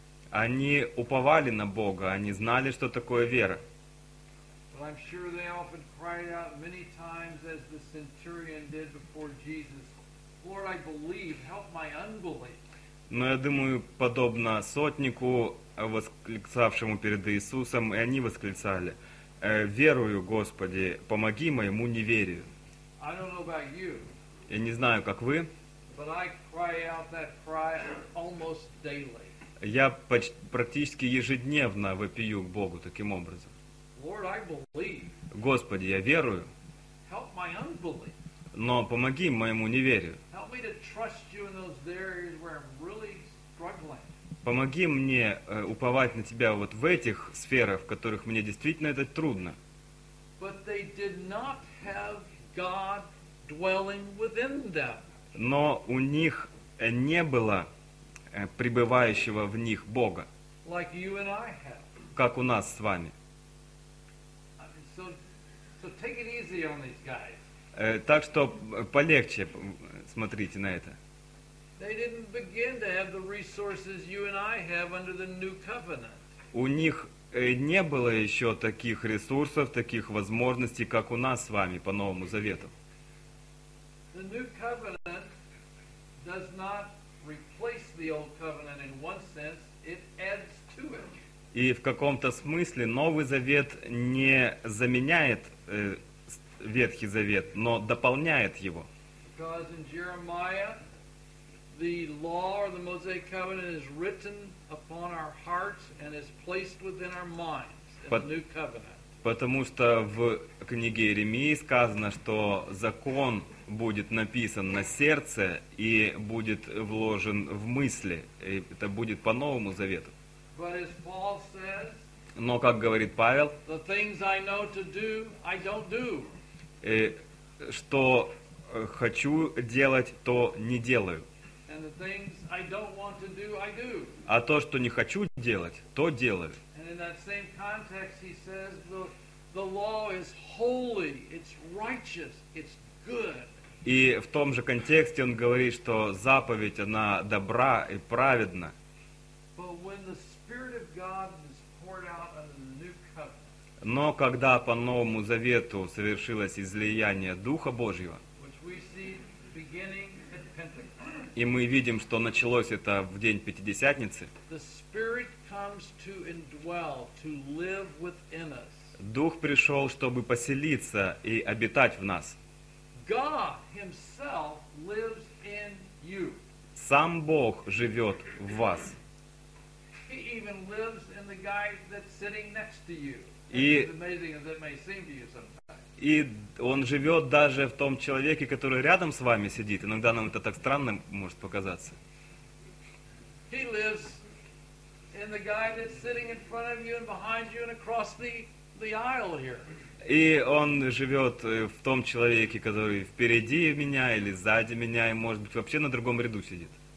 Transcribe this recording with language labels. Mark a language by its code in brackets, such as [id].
[ru] Они уповали на Бога, они знали, что такое вера. [en] But I'm sure they often cried out many times as the centurion did before Jesus, Lord, I believe, help my unbelief. [ru] Но я думаю, подобно сотнику, восклицавшему перед Иисусом, и они восклицали, верую, Господи, помоги моему неверию. [en] I don't know about you. [ru] Я не знаю, как вы. [en] But I cry out that cry almost daily. [ru] Я практически ежедневно вопию к Богу таким образом. [en] Lord, I believe. [ru] Господи, я верую. [en] Help my unbelief. [ru] Но помоги моему неверию. [en] Help me to trust you in those areas where I'm really struggling. [ru] Помоги мне уповать на тебя вот в этих сферах, в которых мне действительно это трудно. [en] But they did not have God dwelling within them. [ru] Но у них не было пребывающего в них Бога. [en] Like you and I have. [ru] Как у нас с вами. [en] So take it easy on these guys. [ru] Так что полегче смотрите на это. [en] They didn't begin to have the resources you and I have under the new covenant. [ru] У них не было еще таких ресурсов, таких возможностей, как у нас с вами по Новому Завету. [en] The new covenant does not replace the old covenant in one sense, it adds to it. [ru] И в каком-то смысле Новый Завет не заменяет Ветхий Завет, но дополняет его. [en] Because in Jeremiah, the law or the Mosaic covenant is written upon our hearts and is placed within our minds in the new covenant. [ru] Потому что в книге Иеремии сказано, что закон будет написан на сердце и будет вложен в мысли. И это будет по Новому Завету. [en] But as Paul says, [ru] но, как говорит Павел, [en] the things I know to do, I don't do. [ru] И, что хочу делать, то не делаю. [en] And the things I don't want to do, I do. [ru] А то, что не хочу делать, то делаю. [en] And in that same context, he says, the law is holy, it's righteous, it's good. [ru] И в том же контексте он говорит, что заповедь, она добра и праведна. [en] But when the Spirit of God is poured out on the new covenant, [ru] но когда по Новому Завету совершилось излияние Духа Божьего, [en] which we see beginning at Pentecost, [ru] и мы видим, что началось это в день Пятидесятницы, [en] the Spirit comes to indwell, to live within us. [ru] Дух пришел, чтобы поселиться и обитать в нас. [en] God himself lives in you. [ru] Сам Бог живет в вас. [en] He even lives in the guy that's sitting next to you. As amazing as it may seem to you sometimes. [ru] И он живет даже в том человеке, который рядом с вами сидит. Иногда нам это так странно может показаться. [en] He lives in the guy that's sitting in front of you and behind you and across the aisle here. [ru] И он живет в том человеке, который впереди меня или сзади меня, и, может быть, вообще на другом ряду сидит.